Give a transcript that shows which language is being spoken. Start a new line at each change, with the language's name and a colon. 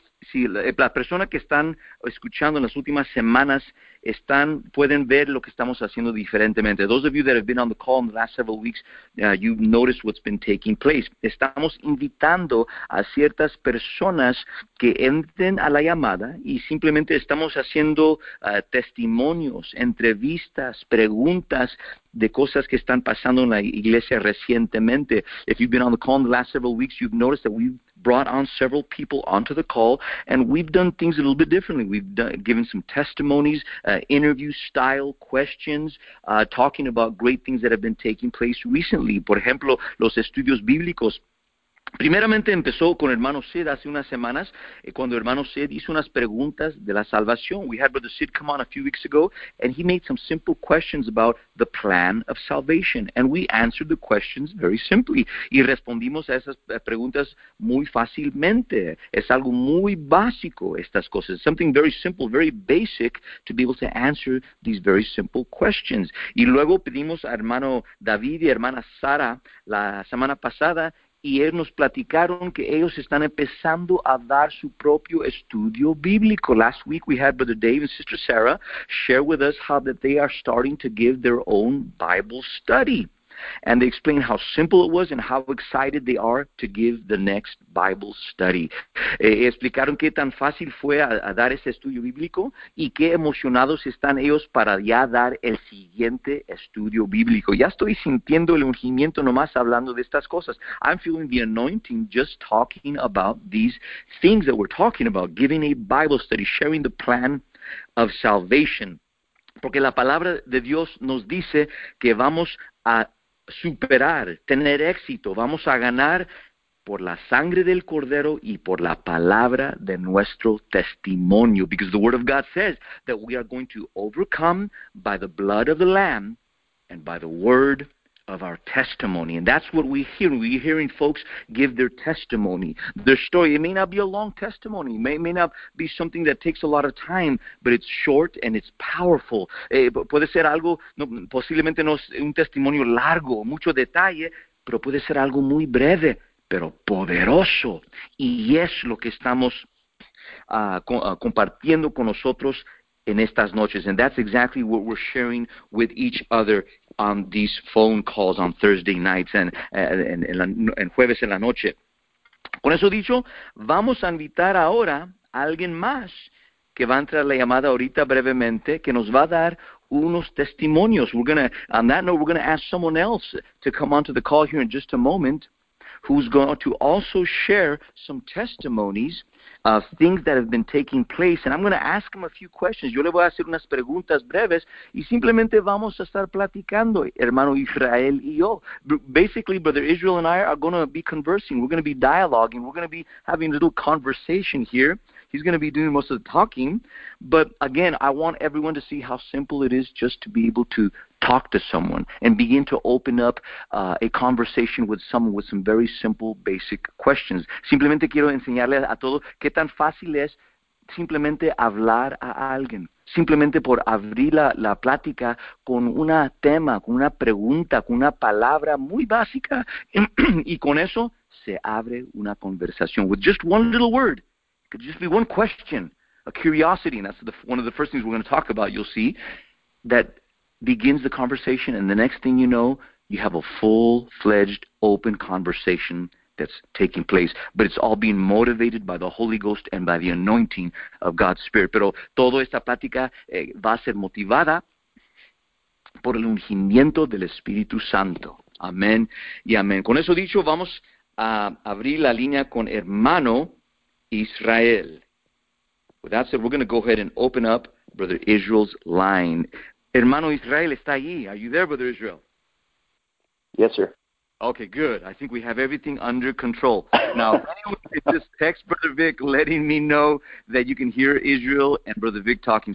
Spanish: Si la persona que están escuchando en las últimas semanas pueden ver lo que estamos haciendo diferentemente.
English: Those of you that have been on the call in the last several weeks, you've noticed what's been taking place.
Spanish: Estamos invitando a ciertas personas que entren a la llamada y simplemente estamos haciendo testimonios, entrevistas, preguntas de cosas que están pasando en la iglesia recientemente.
English: If you've been on the call in the last several weeks, you've noticed that we've brought on several people onto the call, and we've done things a little bit differently. We've given some testimonies, interview-style questions, talking about great things that have been taking place recently.
Spanish: Por ejemplo, los estudios bíblicos. Primeramente empezó con hermano Sid hace unas semanas, cuando hermano Sid hizo unas preguntas de la salvación.
English: We had brother Sid come on a few weeks ago, and he made some simple questions about the plan of salvation. And we answered the questions very simply.
Spanish: Y respondimos a esas preguntas muy fácilmente. Es algo muy básico estas cosas.
English: Something very simple, very basic, to be able to answer these very simple questions.
Spanish: Y luego pedimos a hermano David y hermana Sara la semana pasada, y ellos nos platicaron que ellos están empezando a dar su propio estudio bíblico.
English: Last week we had Brother Dave and Sister Sarah share with us how that they are starting to give their own Bible study. And they explained how simple it was and how excited they are to give the next Bible study.
Spanish: Explicaron qué tan fácil fue a dar ese estudio bíblico y qué emocionados están ellos para ya dar el siguiente estudio bíblico. Ya estoy sintiendo el ungimiento nomás hablando de estas cosas.
English: I'm feeling the anointing just talking about these things that we're talking about, giving a Bible study, sharing the plan of salvation.
Spanish: Porque la palabra de Dios nos dice que vamos a superar, tener éxito, vamos a ganar por la sangre del Cordero y por la palabra de nuestro testimonio.
English: Because the Word of God says that we are going to overcome by the blood of the Lamb and by the Word of our testimony. And that's what we're hearing. We're hearing folks give their testimony, their story. It may not be a long testimony. It may not be something that takes a lot of time, but it's short and it's powerful.
Spanish: Puede ser algo, no, posiblemente no un testimonio largo, mucho detalle, pero puede ser algo muy breve, pero poderoso. Y es lo que estamos compartiendo con nosotros en estas noches.
English: And that's exactly what we're sharing with each other on these phone calls on Thursday nights and
Spanish: jueves en la noche. Con eso dicho, vamos a invitar ahora a alguien más que va a entrar la llamada ahorita brevemente, que nos va a dar unos testimonios.
English: We're gonna ask someone else to come onto the call here in just a moment, who's going to also share some testimonies of things that have been taking place. And I'm going to ask him a few questions.
Spanish: Yo le voy a hacer unas preguntas breves y simplemente vamos a estar platicando, hermano Israel y yo.
English: Basically, Brother Israel and I are going to be conversing. We're going to be dialoguing. We're going to be having a little conversation here. He's going to be doing most of the talking. But again, I want everyone to see how simple it is just to be able to talk to someone and begin to open up a conversation with someone with some very simple, basic questions.
Spanish: Simplemente quiero enseñarle a todos qué tan fácil es simplemente hablar a alguien. Simplemente por abrir la plática con un tema, con una pregunta, con una palabra muy básica. Y con eso se abre una conversación.
English: With just one little word. It could just be one question. A curiosity. And that's one of the first things we're going to talk about. You'll see that begins the conversation, and the next thing you know, you have a full-fledged, open conversation that's taking place. But it's all being motivated by the Holy Ghost and by the anointing of God's Spirit.
Spanish: Pero toda esta plática va a ser motivada por el ungimiento del Espíritu Santo. Amén y amén. Con eso dicho, vamos a abrir la línea con hermano Israel.
English: With that said, we're going to go ahead and open up Brother Israel's line.
Spanish: Hermano Israel está ahí.
English: Are you there, Brother Israel? Yes, sir. Okay, good. I think we have everything under control. Now, just text Brother Vic letting me know that you can hear Israel and Brother Vic talking.